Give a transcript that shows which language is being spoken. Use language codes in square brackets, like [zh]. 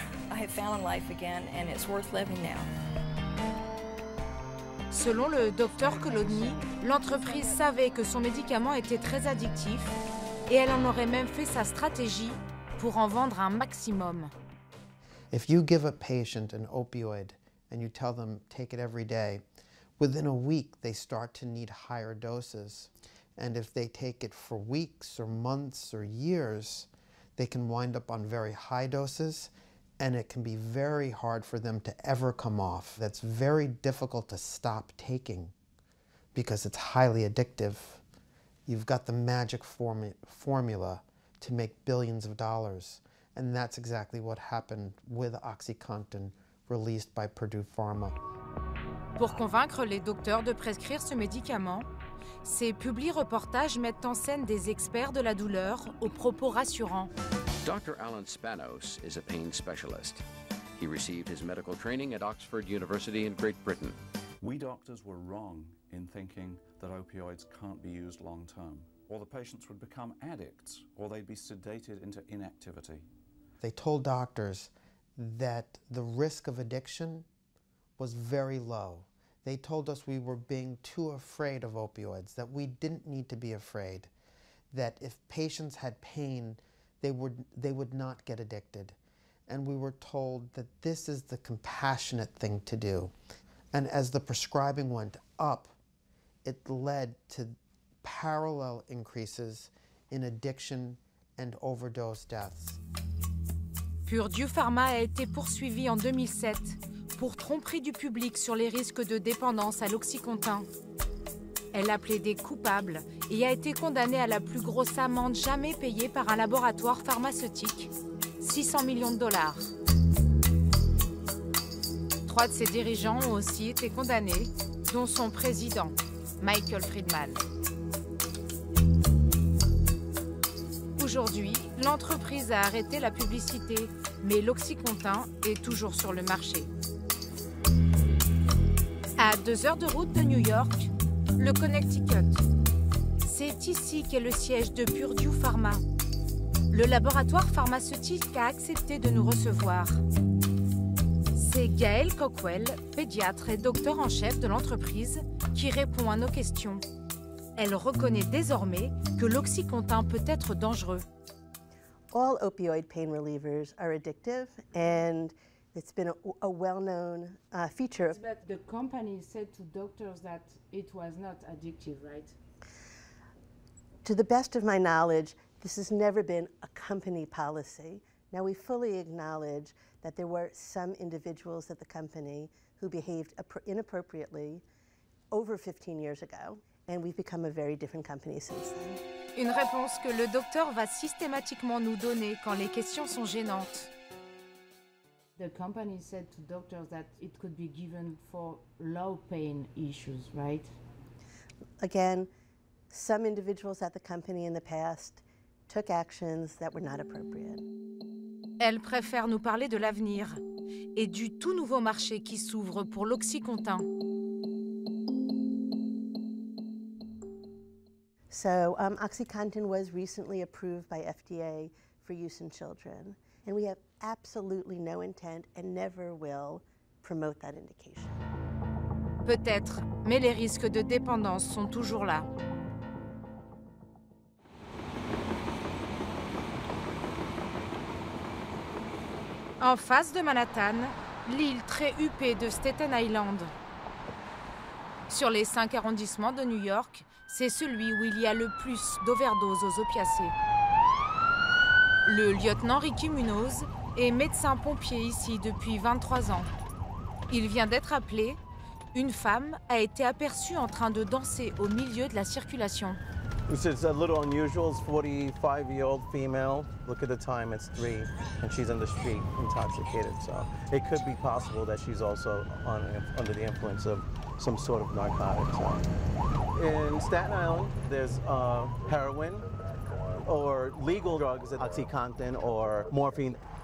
[en] I have found life again and it's worth living now. [fr] Selon le docteur Coleny, l'entreprise savait que son médicament était très addictif. Et elle en aurait même fait sa stratégie pour en vendre un maximum. [en] If you give a patient an opioid and you tell them take it every day, within a week they start to need higher doses. And if they take it for weeks or months or years, they can wind up on very high doses and it can be very hard for them to ever come off. That's very difficult to stop taking because it's highly addictive. You've got the magic formula to make billions of dollars. And that's exactly what happened with OxyContin released by Purdue Pharma. [fr] Pour convaincre les docteurs de prescrire ce médicament, ces publi-reportages mettent en scène des experts de la douleur aux propos rassurants. [en] Dr. Alan Spanos is a pain specialist. He received his medical training at Oxford University in Great Britain. We doctors were wrong in thinking that opioids can't be used long term, or the patients would become addicts, or they'd be sedated into inactivity. They told doctors that the risk of addiction was very low. They told us we were being too afraid of opioids, that we didn't need to be afraid, that if patients had pain, they would not get addicted. And we were told that this is the compassionate thing to do. And as the prescribing went up, it led to parallel increases in addiction and overdose deaths. [fr] Purdue Pharma a été poursuivi en 2007 pour tromperie du public sur les risques de dépendance à l'oxycontin. Elle a plaidé coupable et a été condamnée à la plus grosse amende jamais payée par un laboratoire pharmaceutique, 600 millions de dollars. Trois de ses dirigeants ont aussi été condamnés, dont son président, Michael Friedman. Aujourd'hui, l'entreprise a arrêté la publicité, mais l'oxycontin est toujours sur le marché. À 2 heures de route de New York, le Connecticut. C'est ici qu'est le siège de Purdue Pharma. Le laboratoire pharmaceutique a accepté de nous recevoir. C'est Gaëlle Cockwell, pédiatre et docteur en chef de l'entreprise, qui répond à nos questions. Elle reconnaît désormais que l'oxycontin peut être dangereux. [en] All opioid pain relievers are addictive, and it's been a well-known feature. But the company said to doctors that it was not addictive, right? To the best of my knowledge, this has never been a company policy. Now, we fully acknowledge that there were some individuals at the company who behaved inappropriately over 15 years ago. And we've become a very different company since then. [fr] Une réponse que le docteur va systématiquement nous donner quand les questions sont gênantes. [en] The company said to doctors that it could be given for low pain issues, right? Again, some individuals at the company in the past took actions that were not appropriate. [fr] Elle préfère nous parler de l'avenir et du tout nouveau marché qui s'ouvre pour l'oxycontin. [en] So, OxyContin was recently approved by FDA for use in children, and we have absolutely no intent and never will promote that indication. [fr] Peut-être, mais les risques de dépendance sont toujours là. En face de Manhattan, l'île très huppée de Staten Island. Sur les 5 arrondissements de New York, c'est celui où il y a le plus d'overdoses aux opiacés. Le lieutenant Ricky Munoz est médecin-pompier ici depuis 23 ans. Il vient d'être appelé. Une femme a été aperçue en train de danser au milieu de la circulation. C'est un peu unusual, c'est une [en] 45-year-old female. Look at the time, it's 3. And she's on the street, intoxicated. So it could be possible that she's also under the influence of some sort of narcotics. In Staten Island, there's heroin or legal drugs, OxyContin or morphine.